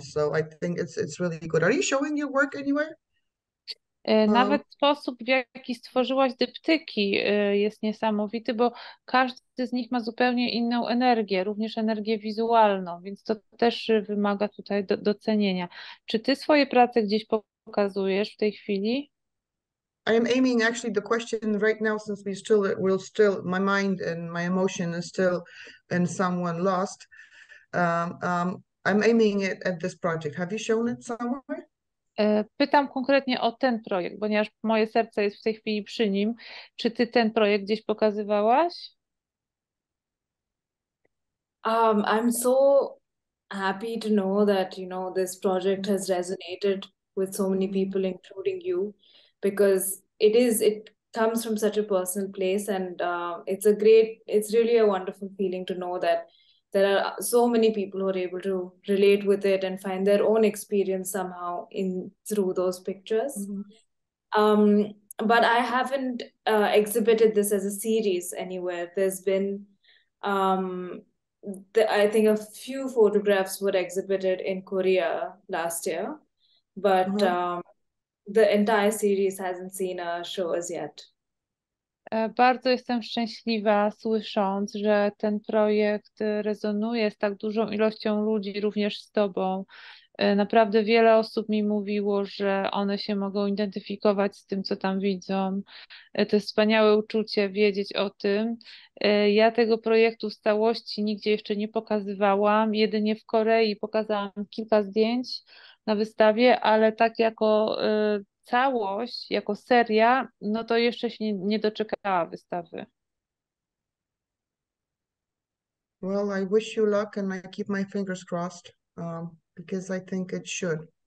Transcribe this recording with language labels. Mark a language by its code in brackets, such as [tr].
[en] So I think it's really good. Are you showing your work anywhere? [pl] Nawet sposób, w jaki stworzyłaś dyptyki, jest niesamowity, bo każdy z nich ma zupełnie inną energię, również energię wizualną, więc to też wymaga tutaj docenienia. Czy ty swoje prace gdzieś pokazujesz w tej chwili? [en] I am aiming actually the question right now, since we're still my mind and my emotion is still in someone lost. I'm aiming it at this project. Have you shown it somewhere? Pytam konkretnie o ten projekt, ponieważ moje serce jest w tej chwili przy nim. Czy ty ten projekt gdzieś pokazywałaś? I'm so happy to know that, you know, this project has resonated with so many people, including you, because it comes from such a personal place, and it's really a wonderful feeling to know that there are so many people who are able to relate with it and find their own experience somehow in through those pictures. But I haven't exhibited this as a series anywhere. There's been, I think a few photographs were exhibited in Korea last year, but the entire series hasn't seen a show as yet. [pl] Bardzo jestem szczęśliwa, słysząc, że ten projekt rezonuje z tak dużą ilością ludzi, również z tobą. Naprawdę wiele osób mi mówiło, że one się mogą identyfikować z tym, co tam widzą. To jest wspaniałe uczucie wiedzieć o tym. Ja tego projektu w całości nigdzie jeszcze nie pokazywałam. Jedynie w Korei pokazałam kilka zdjęć na wystawie, ale tak jako całość, jako seria, no to jeszcze się nie doczekała wystawy. [en] Well, I wish you luck and I keep my fingers crossed, because I think it should.